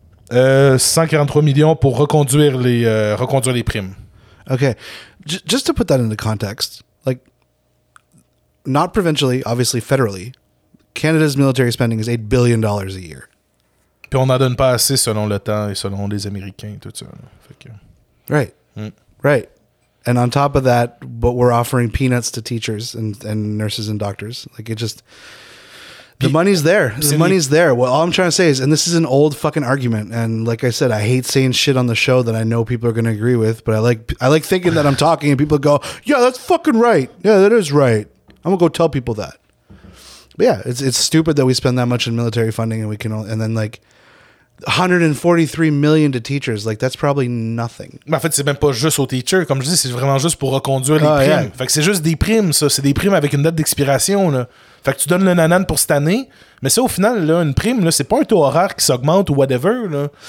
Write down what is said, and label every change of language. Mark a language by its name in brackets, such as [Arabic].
[French] 143 millions pour reconduire les primes. [English] Okay, just to put that into context, like, not provincially, obviously federally, Canada's military spending is $8 billion a year. [French] Puis on n'en donne pas assez selon l'OTAN et selon les Américains et tout ça. Fait que... [English] Right, right. And on top of that, but we're offering peanuts to teachers and nurses and doctors. Like, it just... The money's there. The money's there. Well, all I'm trying to say is, and this is an old fucking argument, and like I said, I hate saying shit on the show that I know people are going to agree with, but I like thinking that I'm talking and people go, yeah, that's fucking right. Yeah, that is right. I'm going to go tell people that. But yeah, it's stupid that we spend that much in military funding and we can only, and then like 143 million to teachers, like that's probably nothing. [French] Mais en fait, c'est même pas juste aux teachers. Comme je dis, c'est vraiment juste pour reconduire les primes. Yeah. Fait que c'est juste des primes, ça. C'est des primes avec une date d'expiration, là. Fait que tu donnes le nanan pour cette année, mais ça, au final, là, une prime, là, c'est pas un taux horaire qui s'augmente ou whatever, là.